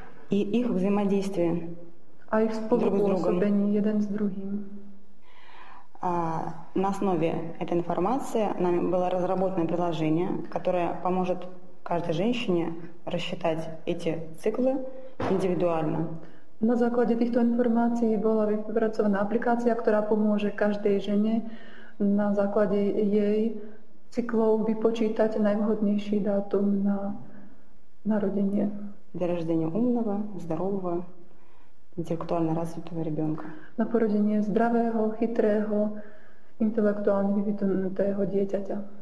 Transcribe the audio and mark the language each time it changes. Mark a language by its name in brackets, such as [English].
[Russian] И их взаимодействие. А их способствование один с другим. На основе этой информации нами было разработано приложение, которое поможет каждой женщине рассчитать эти циклы индивидуально. [Slovak] На základe týchto informácií bola vypracovaná aplikácia, ktorá pomôže každej žene na základe jej cyklov vypočítať najvhodnejší dátum na narodenie. [Russian] Для рождения умного, здорового, интеллектуально развитого ребёнка. [Slovak] Na porodenie zdravého, chytrého, intelektuálne vyvinutého dieťaťa.